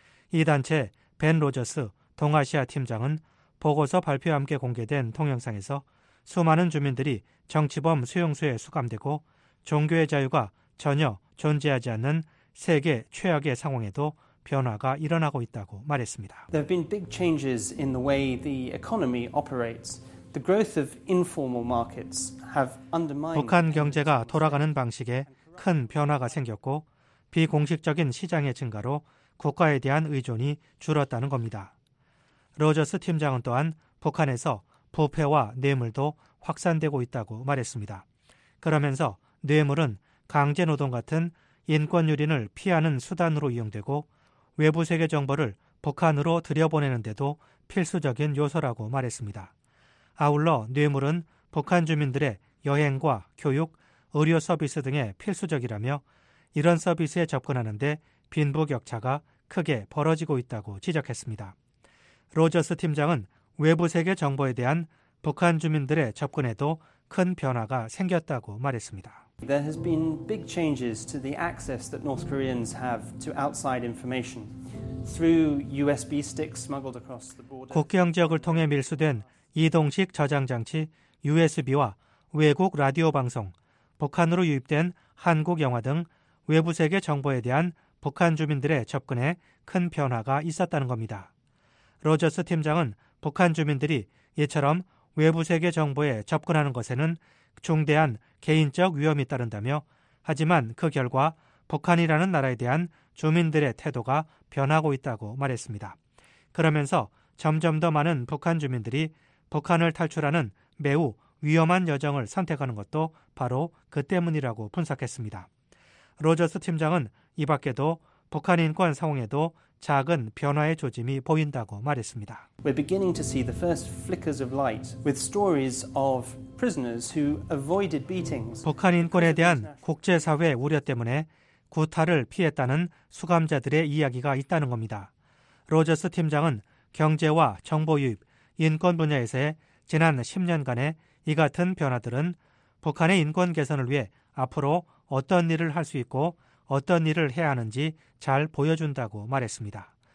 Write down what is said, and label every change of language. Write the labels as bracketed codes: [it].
[ko] 이 단체 벤 로저스 동아시아 팀장은 보고서 발표와 함께 공개된 동영상에서 수많은 주민들이 정치범 수용소에 수감되고 종교의 자유가 전혀 존재하지 않는 세계 최악의 상황에도 변화가 일어나고 있다고 말했습니다. [en] There have been big changes in the way the economy operates. The growth of informal markets have undermined [ko] 북한 경제가 돌아가는 방식에 큰 변화가 생겼고 비공식적인 시장의 증가로 국가에 대한 의존이 줄었다는 겁니다. 로저스 팀장은 또한 북한에서 부패와 뇌물도 확산되고 있다고 말했습니다. 그러면서 뇌물은 강제노동 같은 인권유린을 피하는 수단으로 이용되고 외부 세계 정보를 북한으로 들여보내는데도 필수적인 요소라고 말했습니다. 아울러 뇌물은 북한 주민들의 여행과 교육, 의료 서비스 등에 필수적이라며 이런 서비스에 접근하는데 빈부격차가 크게 벌어지고 있다고 지적했습니다. 로저스 팀장은 외부 세계 정보에 대한 북한 주민들의 접근에도 큰 변화가 생겼다고 말했습니다. [en] There has been big changes to the access that North Koreans have to outside information through USB sticks smuggled across the border. [ko] 국경 지역을 통해 밀수된 이동식 저장 장치 USB와 외국 라디오 방송, 북한으로 유입된 한국 영화 등 외부 세계 정보에 대한 북한 주민들의 접근에 큰 변화가 있었다는 겁니다. 로저스 팀장은 북한 주민들이 이처럼 외부 세계 정보에 접근하는 것에는 중대한 개인적 위험이 따른다며 하지만 그 결과 북한이라는 나라에 대한 주민들의 태도가 변하고 있다고 말했습니다. 그러면서 점점 더 많은 북한 주민들이 북한을 탈출하는 매우 위험한 여정을 선택하는 것도 바로 그 때문이라고 분석했습니다. 로저스 팀장은 이 밖에도 북한 인권 상황에도 작은 변화의 조짐이 보인다고 말했습니다. [en] We're beginning to see the first flickers of light with stories of prisoners who avoided beatings. [ko] 북한 인권에 대한 국제사회의 우려 때문에 구타를 피했다는 수감자들의 이야기가 있다는 겁니다. 로저스 팀장은 경제와 정보 유입, 인권 분야에서의 지난 10년간의 이 같은 변화들은 북한의 인권 개선을 위해 앞으로 어떤 일을 할 수 있고 어떤 일을 해야 하는지 잘 보여준다고 말했습니다.